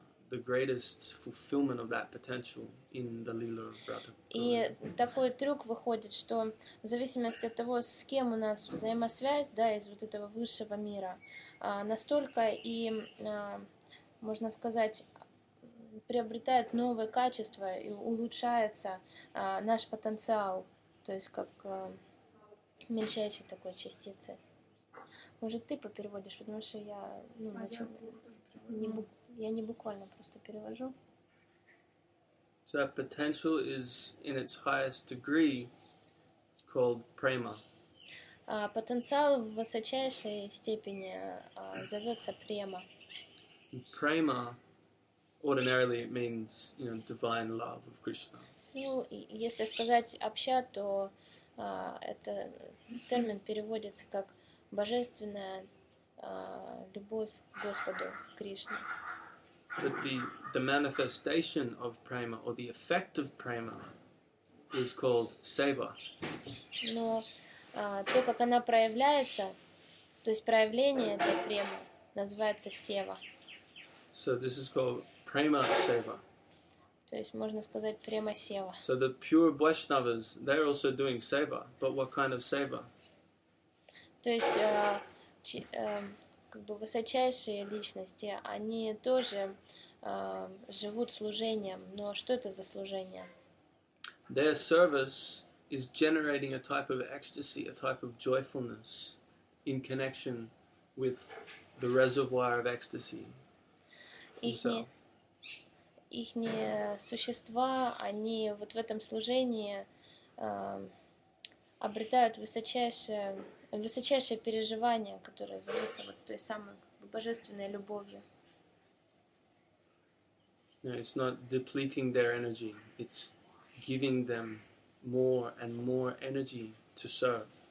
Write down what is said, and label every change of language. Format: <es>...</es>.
<en>the greatest fulfillment of that potential in the Lila of Radha.</en> <ru>И такой трюк выходит, что в зависимости от того, с кем у нас взаимосвязь, да, из вот этого высшего мира, настолько и можно сказать, приобретает новое качество и улучшается наш потенциал, то есть как мельчайшей такой частицы. Может, ты попереводишь, потому что я, ну, я не буквально просто перевожу.</ru> <en>So our potential is in its highest degree called prema.</en> <ru>Потенциал в высочайшей степени зовется према.</ru> <en>Prema ordinarily it means, you know, divine love of Krishna.</en> <ru>Ну, если сказать обща, то это термин переводится как божественная любовь Господу Кришне.</ru> <en>But the manifestation of prema or the effect of prema is called seva.</en> <ru>Но то, как она проявляется, то есть проявление этой премы называется сева.</ru> <en>So this is called prema seva.</en> <ru>То есть можно сказать према сева.</ru> <en>So the pure Vaishnavas, they're also doing seva, but what kind of seva?</en> <ru>То есть как бы высочайшие личности, они тоже живут служением, но что это за служение?</ru> <en>Their service is generating a type of ecstasy, a type of joyfulness in connection with the reservoir of ecstasy.</en> <ru>Ихние существа, они вот в этом служении обретают высочайшее переживание, которое зовется вот той самой как бы божественной любовью.</ru> <en>No, it's not depleting their energy. It's giving them more and more energy to serve.</en>